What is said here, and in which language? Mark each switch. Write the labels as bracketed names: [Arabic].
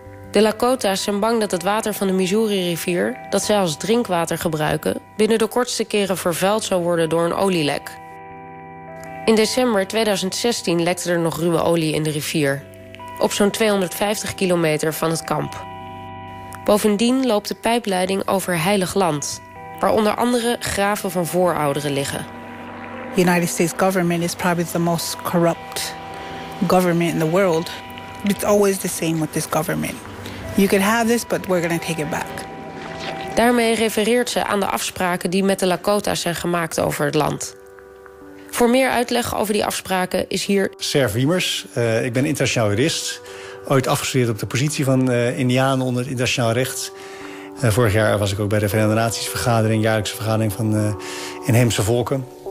[Dutch] De Lakota's zijn bang dat het water van de Missouri-rivier, dat zij als drinkwater gebruiken, binnen de kortste keren vervuild zou worden door een olielek. In december 2016 lekte er nog ruwe olie in de rivier, op zo'n 250 kilometer van het kamp. Bovendien loopt de pijpleiding over heilig land, waar onder andere graven van voorouderen liggen. [English] The United States government is probably the most corrupt government in the world. It's always the same with this government. You can have this, but we're going to take it back. [Dutch] Daarmee refereert ze aan de afspraken die met de Lakota's zijn gemaakt over het land. Voor meer uitleg over die afspraken is hier Serv Wiemers. Ik ben internationaal jurist. Ooit afgestudeerd op de positie van Indianen onder het internationaal recht. Vorig jaar was ik ook bij de Verenigde Naties vergadering, jaarlijkse vergadering van inheemse volken.